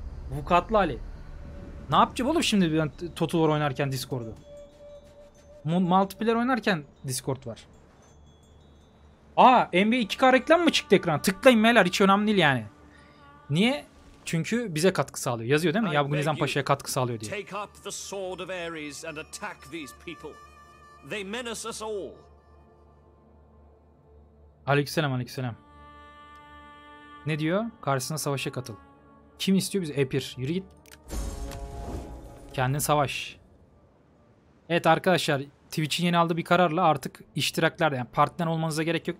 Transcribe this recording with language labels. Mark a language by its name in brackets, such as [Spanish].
[Turkish] Vukatlı Ali. Ne yapacağım oğlum şimdi ben Total War oynarken Discord'u? Multiplayer oynarken Discord var. Aa NBA 2K reklam mı çıktı ekrana? Tıklayın meyler, hiç önemli değil yani. Niye? Çünkü bize katkı sağlıyor. Yazıyor değil mi? Yavgun Nizam Paşa'ya katkı sağlıyor diye. [English] Take up the sword of Ares and attack these people. They menace us all. [Turkish] Aleykümselam aleykümselam. Ne diyor? Karşısına savaşa katıl. Kim istiyor bizi? Epir. Yürü git. Kendin savaş. Evet arkadaşlar, Twitch'in yeni aldığı bir kararla artık iştiraklar, yani partner olmanıza gerek yok.